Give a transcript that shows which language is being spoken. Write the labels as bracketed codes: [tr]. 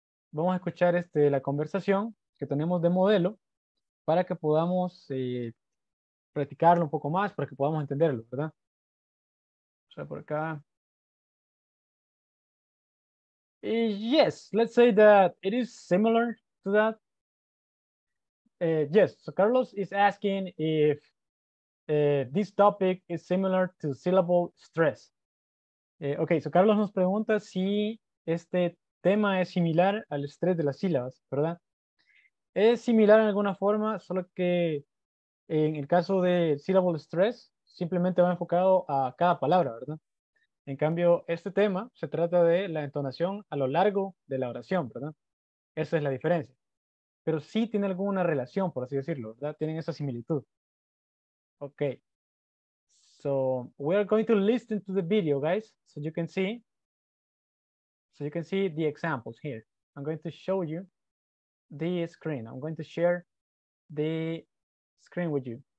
[es] Vamos a escuchar la conversación que tenemos de modelo para que podamos practicarlo un poco más, para que podamos entenderlo, ¿verdad? O sea, por acá. [en] Yes, let's say that it is similar to that. Yes, so Carlos is asking if this topic is similar to syllable stress. [es] Okay, so Carlos nos pregunta si este tema es similar al estrés de las sílabas, ¿verdad? Es similar en alguna forma, solo que en el caso de syllable stress, simplemente va enfocado a cada palabra, ¿verdad? En cambio, este tema se trata de la entonación a lo largo de la oración, ¿verdad? Esa es la diferencia. Pero sí tiene alguna relación, por así decirlo, ¿verdad? Tienen esa similitud. Ok. [en] So, we are going to listen to the video, guys, so you can see the examples here. I'm going to show you the screen. I'm going to share the screen with you.